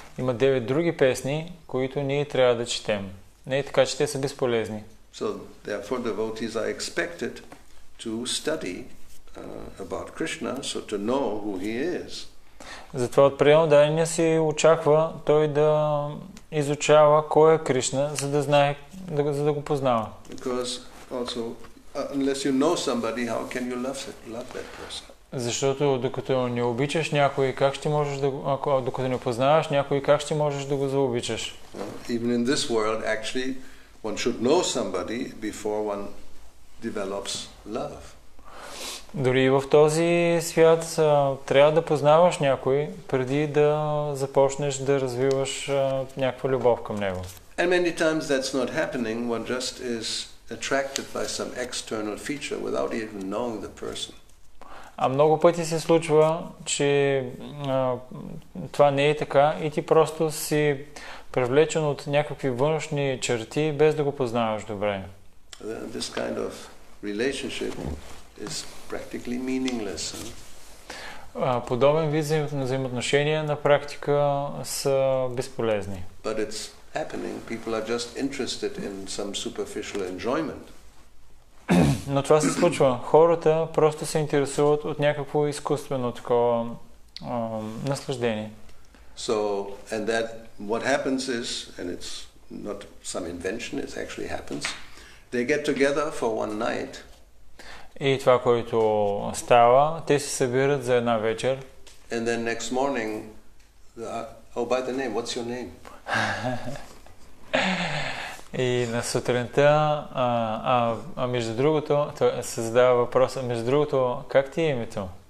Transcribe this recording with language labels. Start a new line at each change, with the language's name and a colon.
Bulgarian: Има 9 други песни, които ние трябва да четем. Не е така, че те са безполезни.
English: So therefore devotees are expected to study about Krishna, so to know who he is.
Bulgarian: Затова от преподавания се очаква той да изучава кой е Кришна, за да знае, за да го познава.
English: Because also unless you know somebody, how can you love that person?
Bulgarian: Защото докато не обичаш някой, как ще можеш да го, докато не познаваш някой, как ще можеш да го заобичаш?
English: Even in this world actually one should know somebody before one develops love.
Bulgarian: Дори и в този свят трябва да познаваш някой преди да започнеш да развиваш някаква любов към него.
English: And many times that's not happening, one just is attracted by some external feature without even knowing the person.
Bulgarian: А много пъти се случва, че това не е така и ти просто си привлечен от някакви външни черти, без да го познаваш добре.
English: This kind of relationship is practically meaningless.
Bulgarian: Подобен вид взаимоотношения на практика са безполезни.
English: But it's happening. People are just interested in some superficial enjoyment.
Bulgarian: Но това се случва. Хората просто се интересуват от някакво изкуствено такова наслаждение.
English: So, and that what happens is, and it's not some invention, it actually happens, they get together for one night.
Bulgarian: И това, което става, те се събират за една вечер.
English: And then next morning, oh, by the name, what's your name?
Bulgarian: И на сутринта, между другото, се задава въпроса, между другото, как ти е името?